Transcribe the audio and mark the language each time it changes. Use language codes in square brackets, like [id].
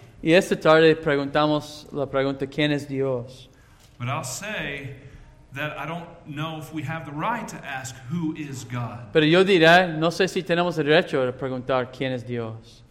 [es] Y esta tarde preguntamos la pregunta, ¿quién es Dios? [en] But I'll say that I don't know if we have the right to ask, who is God? [es] Pero yo diré, no sé si tenemos el derecho de preguntar, ¿quién es Dios?